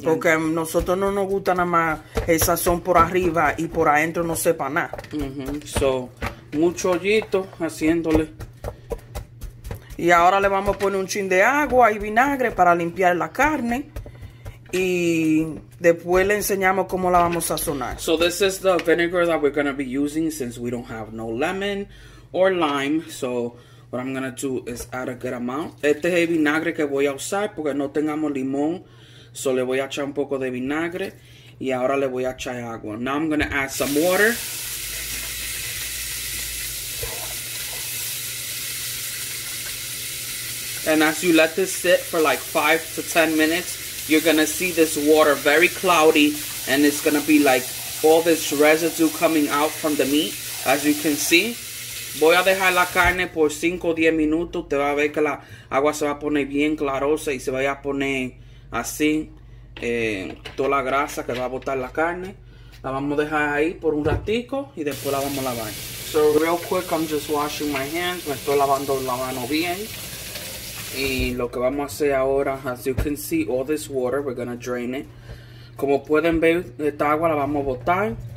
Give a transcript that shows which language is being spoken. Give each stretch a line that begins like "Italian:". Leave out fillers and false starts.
Spanish: Porque nosotros no nos gusta nada más el sazón por arriba y por adentro no sepa nada. So, mucho hoyito haciéndole. Y ahora le vamos a poner un chin de agua y vinagre para limpiar la carne. Y después le enseñamos cómo la vamos a sazonar.
English: So this is the vinegar that we're going to be using since we don't have no lemon or lime. So what I'm going to do is add a good amount.
Spanish: Este es el vinagre que voy a usar porque no tengamos limón. So le voy a echar un poco de vinagre. Y ahora le voy a echar agua.
English: Now I'm going to add some water. And as you let this sit for like 5 to 10 minutes, you're going to see this water very cloudy. And it's going to be like all this residue coming out from the meat. As you can see,
Spanish: voy a dejar la carne por 5 o 10 minutos. Te va a ver que la agua se va a poner bien clarosa y se va a poner así. Toda la grasa que va a botar la carne. La vamos a dejar ahí por un ratico y después la vamos a lavar.
English: So real quick, I'm just washing my hands.
Spanish: Me estoy lavando la mano bien. Y lo que vamos a hacer ahora,
English: as you can see, all this water, we're going to drain it.
Spanish: Como pueden ver, esta agua la vamos a botar.